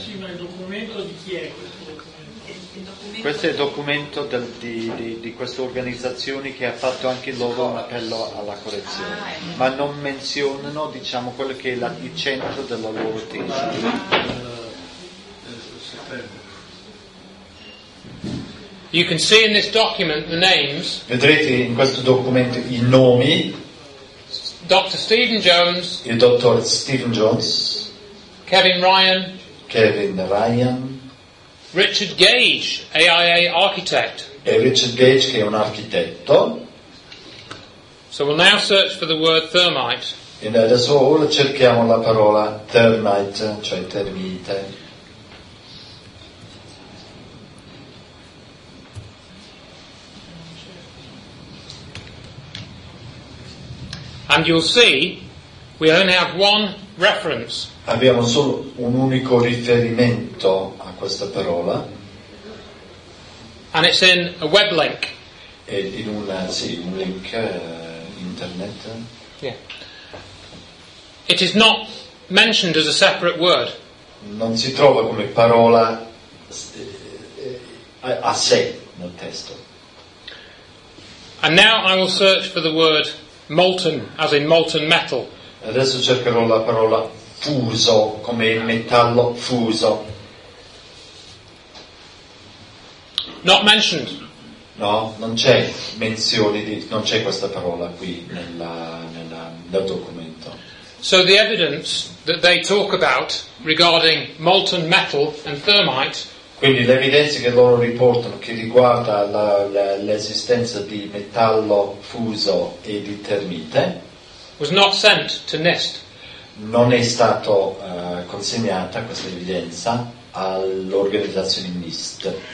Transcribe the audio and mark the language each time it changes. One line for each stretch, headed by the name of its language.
Italian: Sì, ma il documento di chi è questo documento? Questo è il documento di questa organizzazione che ha fatto anche loro un appello alla correzione. Ah, ma non menzionano, diciamo, quello che è il centro della loro tesi.
English: You can see in this document the names.
Italian: Vedrete in questo documento i nomi.
English: Dr. Stephen Jones.
Italian: Il dottor Stephen Jones.
English: Kevin Ryan.
Italian: Kevin Ryan.
English: Richard Gage, AIA architect.
Italian: E Richard Gage che è un architetto.
English: So we'll now search for the word thermite.
Italian: E adesso ora cerchiamo la parola termite, cioè termite.
English: And you'll see we only have one reference.
Italian: Abbiamo solo un unico riferimento a questa parola.
English: And it's in a web link.
Italian: E in un link internet.
English: Yeah. It is not mentioned as a separate word.
Italian: Non si trova come parola a sé nel testo.
English: And now I will search for the word molten, as in molten metal.
Italian: Adesso cercherò la parola fuso, come il metallo fuso.
English: Not mentioned.
Italian: No, non c'è menzione di, non c'è questa parola qui nel documento.
English: So the evidence that they talk about regarding molten metal and thermite.
Italian: Quindi le evidenze che loro riportano che riguarda l'esistenza di metallo fuso e di termite
English: was not sent to NIST.
Italian: Non è stato consegnata questa evidenza all'organizzazione NIST.